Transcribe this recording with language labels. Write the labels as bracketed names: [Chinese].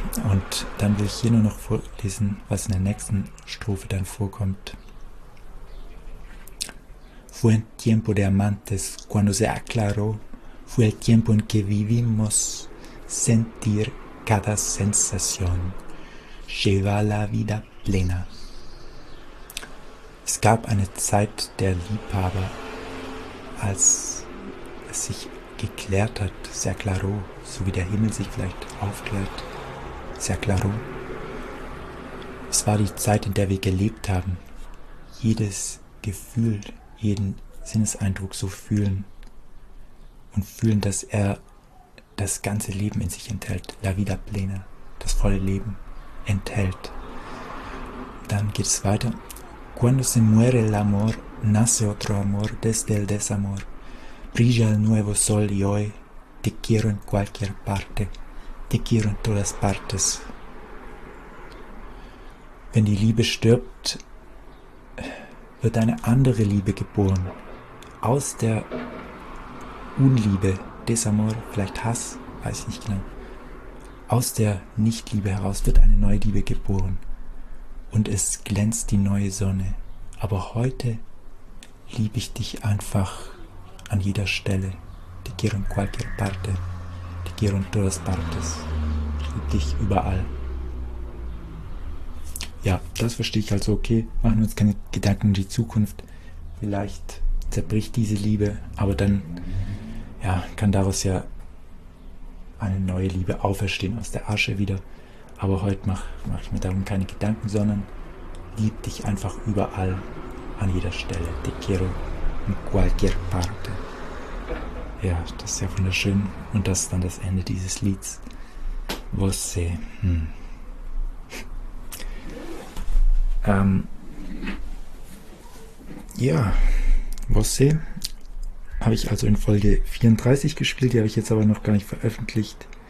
[German] Und dann will ich hier nur noch vorlesen, was in der nächsten Strophe dann vorkommt. [Spanish] Fue el tiempo de amantes, cuando se aclaró. Fue el tiempo en que vivimos, sentir cada sensación. Lleva la vida plena. [German] Es gab eine Zeit der Liebhaber, als es sich geklärt hat, sehr klaro, so wie der Himmel sich vielleicht aufklärt, sehr klaro. Es war die Zeit, in der wir gelebt haben, jedes Gefühl, jeden Sinneseindruck so fühlen und fühlen, dass er das ganze Leben in sich enthält, [Spanish] la vida plena, [German] das volle Leben enthält. Dann geht es weiter. [Spanish] Cuando se muere el amor, nace otro amor desde el desamor. Brilla el nuevo sol y hoy te quiero en cualquier parte, te quiero en todas partes. [German] Wenn die Liebe stirbt, wird eine andere Liebe geboren. Aus der Unliebe, desamor, vielleicht Hass, weiß ich nicht genau. Aus der Nichtliebe heraus wird eine neue Liebe geboren. Und es glänzt die neue Sonne. Aber heute liebe ich dich einfach an jeder Stelle. [Spanish] Te quiero en cualquier parte. Te quiero en todas partes. [German] Ich liebe dich überall. Ja, das verstehe ich also okay. Machen wir uns keine Gedanken um die Zukunft. Vielleicht zerbricht diese Liebe. Aber dann ja, kann daraus ja eine neue Liebe auferstehen aus der Asche wieder. Aber heute mach ich mir darum keine Gedanken, sondern lieb dich einfach überall, an jeder Stelle. [Spanish] Te quiero in cualquier parte. [German] Ja, das ist ja wunderschön. Und das ist dann das Ende dieses Lieds. Você. Ja, Você habe ich also in Folge 34 gespielt. Die habe ich jetzt aber noch gar nicht veröffentlicht.